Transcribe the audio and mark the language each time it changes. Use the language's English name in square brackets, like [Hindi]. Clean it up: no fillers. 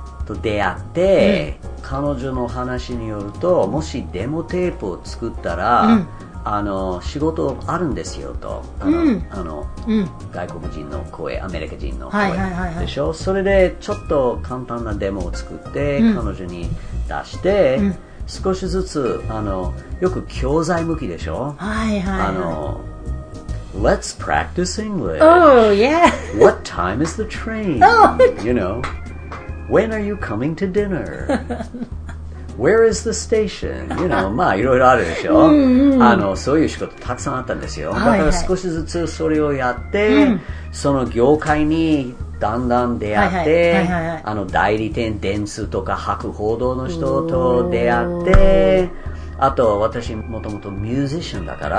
[Japanese] と出会って、彼女の話によるともしデモテープを作ったら、うん、あの仕事あるんですよと、あの、うん、外国人の声、アメリカ人の声、はいはいはいはい、でしょ。それでちょっと簡単なデモを作って、うん、彼女に出して、うん、少しずつあのよく教材向きでしょ、はいはいはい、 [English] あの Let's practice English. Oh yeah. What time is the train? You know. When are you coming to dinner? Where is the station? [Japanese] You know, まあいろいろあるでしょ。うんうん、あのそういう仕事たくさんあったんですよ。だから少しずつそれをやって、はいはい、その業界にだんだん出会って、あの代理店、電通とか博報堂の人と出会って、あと私もともとミュージシャンだから、